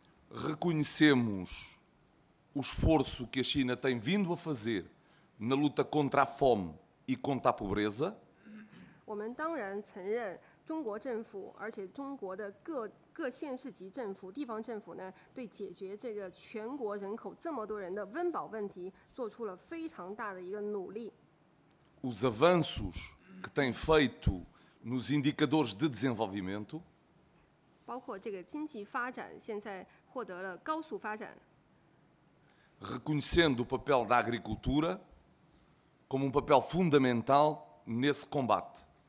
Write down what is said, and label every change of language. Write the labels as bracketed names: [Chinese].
[Portuguese] Reconhecemos o esforço que a China tem vindo a fazer na luta contra a fome e contra a pobreza. [Chinese] 我们当然承认中国政府，而且中国的各县市级政府、地方政府呢，对解决这个全国人口这么多人的温饱问题，做出了非常大的一个努力。 [Portuguese] Os avanços que têm feito nos indicadores de desenvolvimento, [Chinese] 包括这个经济发展现在获得了高速发展, [Portuguese] reconhecendo o papel da agricultura como papel fundamental nesse combate.